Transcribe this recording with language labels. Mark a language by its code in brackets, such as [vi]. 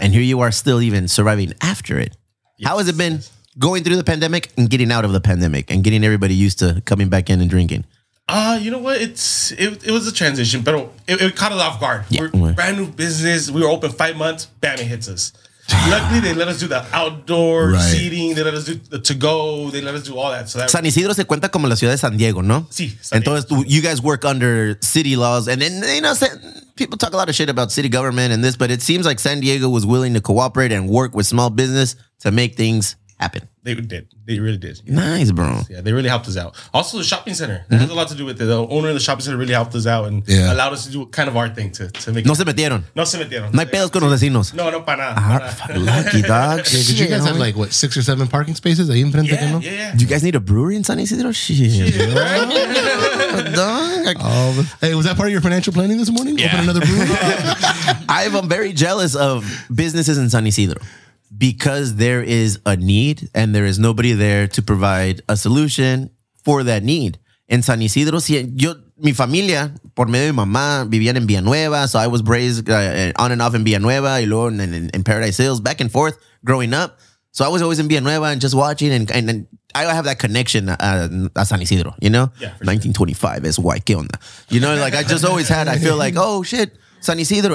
[en] And here you are still even surviving after it. Yes, how has it been going through the pandemic and getting out of the pandemic and getting everybody used to coming back in and drinking? You know what? It was a transition, but it caught us off guard. Yeah. We're brand new business. We were open 5 months. Bam, it hits us. Luckily, they let us do the outdoor seating. They let us do the to-go. They let us do all that. So [es] San Isidro se cuenta como la ciudad de San Diego, ¿no? Sí. [en] Entonces, you guys work under city laws. And then, you know, people talk a lot of shit about city government and this, but it seems like San Diego was willing to cooperate and work with small business to make things happen. They did. They really did. Nice, bro. Yeah, they really helped us out. Also, the shopping center. That has a lot to do with it. The owner of the shopping center really helped us out and allowed us to do kind of our thing to make [es] No se metieron. No se metieron. No hay pedos con los vecinos. No, no, para nada. [en] Lucky dog. Yeah, did you guys have like, what, 6 or 7 parking spaces? [es] Ahí enfrente, [en] yeah, [es] que no? [en] Yeah, yeah. Do you guys need a brewery in San Isidro? Hey, was that part of your financial planning this morning? Yeah. Open another brewery? I'm very jealous of businesses in San Isidro. Because there is a need and there is nobody there to provide a solution for that need. [es] In San Isidro, mi familia, por medio de mi mamá, vivían en Villanueva. [en] So I was raised on and off in Villanueva [es] y luego [en] in Paradise Hills, back and forth growing up. So I was always in Villanueva and just watching and I have that connection at San Isidro, you know? Yeah, 1925 sure. Es Waikeona. You know, like I just always had, I feel like, oh shit, San Isidro.